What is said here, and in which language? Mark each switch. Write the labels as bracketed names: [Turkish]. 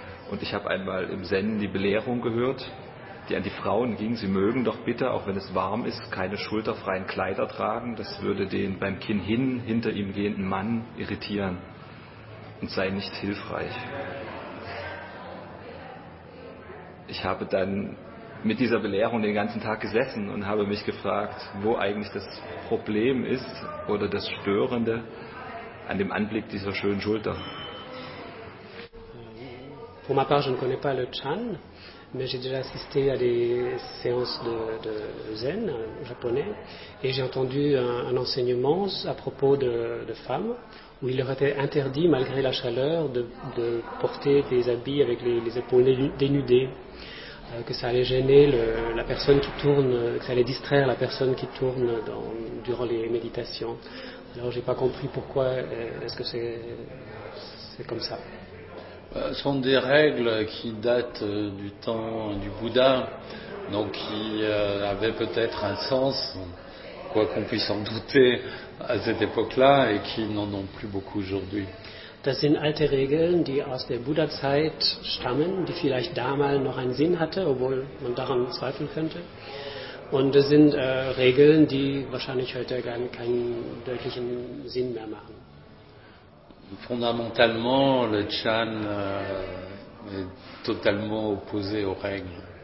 [German] Und ich habe einmal im Zen die Belehrung gehört, die an die Frauen ging, sie mögen doch bitte, auch wenn es warm ist, keine schulterfreien Kleider tragen, das würde den beim Kinn hin hinter ihm gehenden Mann irritieren und sei nicht hilfreich. Ich habe dann mit dieser Belehrung den ganzen Tag gesessen und habe mich gefragt, wo eigentlich das Problem ist oder das Störende an dem Anblick dieser schönen Schulter. [French] Pour ma part, je ne connais pas le Chan, mais j'ai déjà assisté à des séances de Zen japonais et j'ai entendu un enseignement à propos de femmes où il leur était interdit, malgré la chaleur, de porter des habits avec les épaules dénudées. Que ça allait gêner la personne qui tourne, que ça allait distraire la personne qui tourne durant les méditations. Alors j'ai pas compris pourquoi est-ce que c'est comme ça. Ce sont des règles qui datent du temps du Bouddha, donc qui avaient peut-être un sens, quoi qu'on puisse en douter à cette époque-là, et qui n'en ont plus beaucoup aujourd'hui. [German] Das sind alte Regeln, die aus der Buddha-Zeit stammen, die vielleicht damals noch einen Sinn hatte, obwohl man daran zweifeln könnte. Und das sind Regeln, die wahrscheinlich heute gar keinen deutlichen Sinn mehr machen. [French] Fondamentalement, le Chan est totalement opposé aux règles.